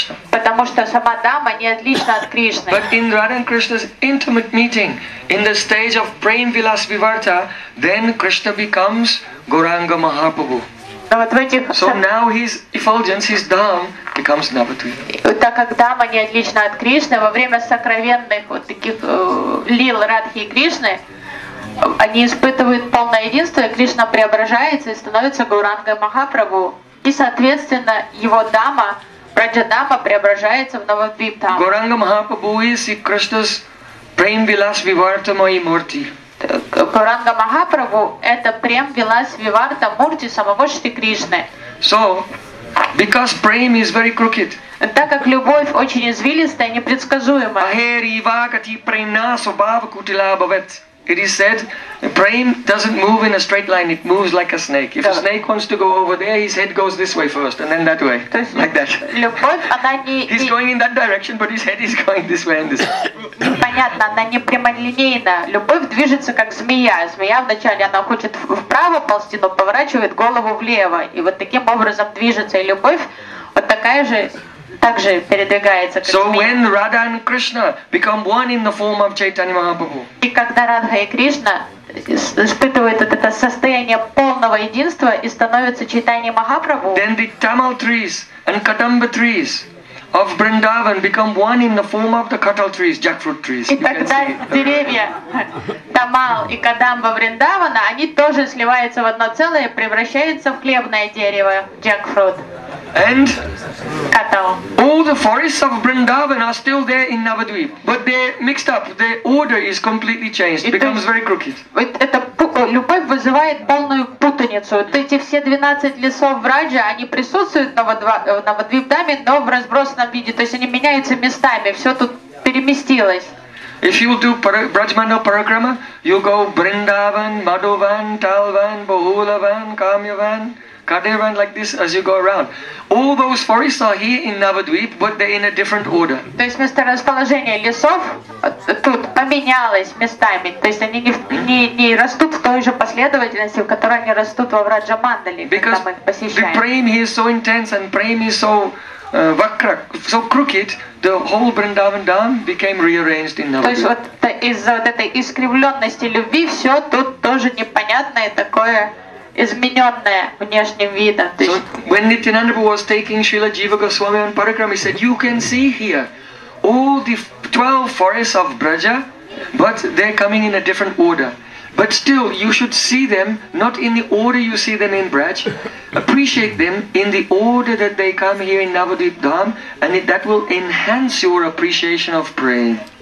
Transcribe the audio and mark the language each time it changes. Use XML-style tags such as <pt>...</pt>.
<ru>Потому что сама дама не отлична от Кришны.</ru> <en>But in Radha and Krishna's intimate meeting, in the stage of prem vilas vivarta, then Krishna becomes Gauranga Mahaprabhu. So now his effulgence, his dham, becomes Navadvip.</en> <ru>Так как дама не отлична от Кришны, во время сокровенных вот таких лил Радхи и Кришны, они испытывают полное единство, и Кришна преображается и становится Гауранга Махапрабху. И, соответственно, его дама, Праджа-дама, преображается в Навадвип дам.</ru> <en>Гауранга Махапрабху is Krishna's prem vilas vivarta mai murti.</en> <ru>Гауранга Махапрабху — это прем вилас виварта мурти самого Шри Кришны.</ru> <en>So, because prem is very crooked.</en> <ru>Так как любовь очень извилистая, непредсказуемая.</ru> <sa>Ахери вакати прена субава кутила бавет.</sa> <en>It is said, prem doesn't move in a straight line, it moves like a snake. If a snake wants to go over there, his head goes this way first, and then that way, like that.</en> <ru>Любовь, она не...</ru> <en>He's going in that direction, but his head is going this way and this way.</en> <ru>Непонятно, она не прямолинейна. Любовь движется как змея. Змея вначале, она хочет вправо ползти, но поворачивает голову влево. И вот таким образом движется. И любовь вот такая же... также передвигается, как so змея.</ru> <en>When Radha and Krishna become one in the form of Chaitanya Mahaprabhu.</en> <ru>И когда Радха и Кришна испытывают вот это состояние полного единства и становятся Чайтанья Махапрабху.</ru> <en>Then the tamal trees and kadamba trees of Vrindavan become one in the form of the kattal trees, jackfruit trees.</en> <ru>И тогда деревья Тамал и Кадамба Вриндавана, они тоже сливаются в одно целое и превращаются в хлебное дерево, jackfruit.</ru> <en>And kattal. All the forests of Vrindavan are still there in Navadvip, but they're mixed up. The order is completely changed. It becomes very crooked.</en> <ru>Это любовь вызывает полную путаницу. Вот эти все 12 лесов Враджа, они присутствуют в Навадвипдаме, но в разбросанном виде. То есть они меняются местами, все тут переместилось.</ru> <en>If you do Brajmandal Parakrama, you go Vrindavan, Madhuvan, Talvan, Bahulavan, Kamyavan, Kadevan, like this as you go around. All those forests are here in Navadvip, but they're in a different order.</en> <ru>То есть место расположения лесов тут поменялось местами. То есть они не растут в той же последовательности, в которой они растут во Враджамандале, когда мы их посещаем.</ru> <en>Because the prem here is so intense and prem is so vakra, so crooked, the whole Vrindavan Dham became rearranged in Navadvip.</en> <ru>То есть вот из-за вот этой искривленности любви все тут тоже непонятное такое. Измененное внешним видом.</ru> <en>So when Nityananda Prabhu was taking Srila Jiva Goswami on Parakram, he said, "You can see here all the 12 forests of Braja, but they're coming in a different order. But still, you should see them not in the order you see them in Braj. Appreciate them in the order that they come here in Navadvip Dham, and that will enhance your appreciation of praying."</en>